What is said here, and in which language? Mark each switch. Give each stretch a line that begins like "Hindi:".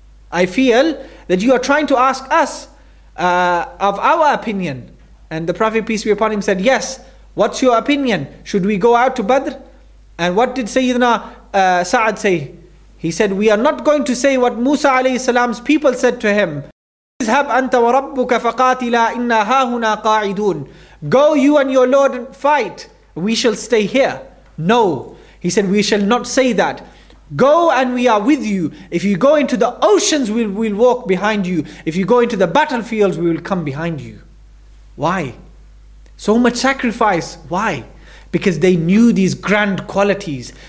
English: I feel that you are trying to ask us of our opinion. And the Prophet, peace be upon him, said, yes, what's your opinion? Should we go out to Badr? And what did Sayyidina Sa'd say? He said, we are not going to say what Musa alayhi salam's people said to him.
Arabic: اذهب أنت وربك فقاتلا إنا هاهنا قاعدون.
English: Go you and your Lord and fight. We shall stay here. No. He said, we shall not say that. Go and we are with you. If you go into the oceans, we'll walk behind you. If you go into the battlefields, we will come behind you. Why? So much sacrifice. Why? Because they knew these grand qualities.